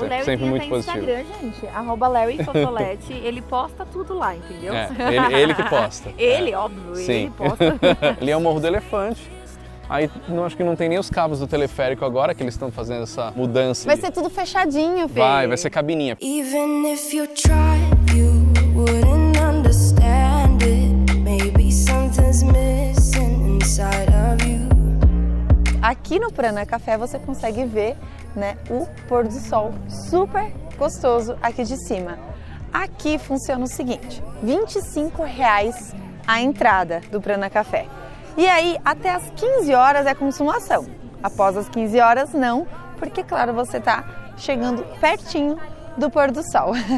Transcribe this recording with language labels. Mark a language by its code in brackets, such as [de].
[pt] O Larry sempre muito até Instagram, gente. Arroba Larry Fofolete. Ele posta tudo lá, entendeu? É, ele que posta. Ele, óbvio, sim. Ele posta. Ele é o Morro do Elefante. Aí não, acho que não tem nem os cabos do teleférico agora que eles estão fazendo essa mudança. Vai ser tudo fechadinho, filho. Vai ser cabininha. [en] Even if you try, you wouldn't understand it. Maybe something's missing inside of you. [pt] Aqui no Prana Café você consegue ver, né, o pôr do sol super gostoso aqui de cima. Aqui funciona o seguinte: R$25 a entrada do Prana Café. E aí, até as 15 horas é consumação. Após as 15 horas, não, porque, claro, você está chegando pertinho do pôr do sol.